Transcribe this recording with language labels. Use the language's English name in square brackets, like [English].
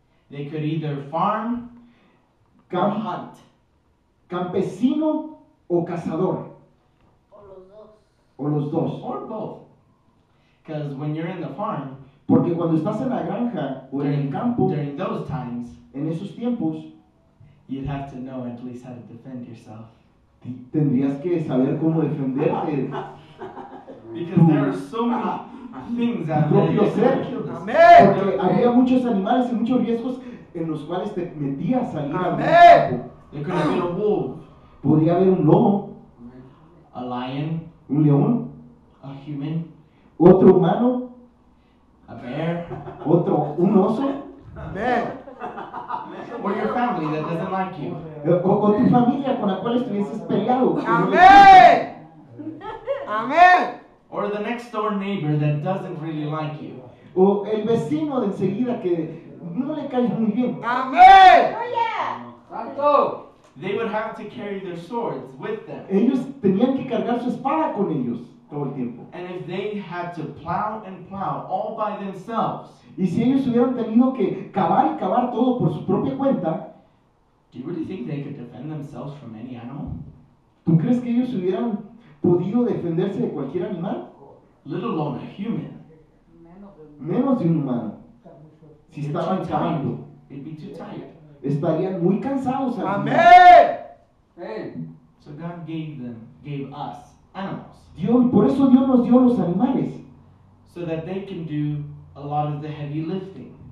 [English] They could either farm or hunt. [Spanish] Campesino o cazador. O los dos. [English] Or both. Because when you're in the farm. [Spanish] Porque cuando estás en la granja o en el campo. [English] During those times. [Spanish] En esos tiempos. [English] You'd have to know at least how to defend yourself. [Spanish] Tendrías que saber cómo defenderte. [English] Because there are so many things that could kill us. Amen. [Spanish] Porque había muchos animales y muchos riesgos en los cuales te metías a salir. [English] Amen. There could have been a wolf. [Spanish] Podría haber un lobo. [English] A lion. [Spanish] Un león. [English] A human. [Spanish] Otro humano. [English] A bear. [Spanish] Otro, un oso. [English] Amen. Or your family that doesn't like you. [Spanish] O tu familia con la cual estuvieses peleado. [English] Amen. Amen. Or the next door neighbor that doesn't really like you. [Spanish] O el vecino de enseguida que no le caes muy bien. [English] Amen. Oh yeah. [Spanish] Santo. [English] They would have to carry their swords with them. [Spanish] Ellos tenían que cargar su espada con ellos todo el tiempo. [English] And if they had to plow and plow all by themselves. [Spanish] Y si ellos hubieran tenido que cavar y cavar todo por su propia cuenta. [English] Do you really think they could defend themselves from any animal? [Spanish] ¿Tú crees que ellos hubieran podido defenderse de cualquier animal? [English] Let alone a human. [Spanish] Menos de un humano. Si estaban cavando. [English] It'd be too tired. [Spanish] Estarían muy cansados. Amén. Amén. [English] So God gave us animals. [Spanish] Dios, por eso Dios nos dio los animales. [English] So that they can do a lot of the heavy lifting.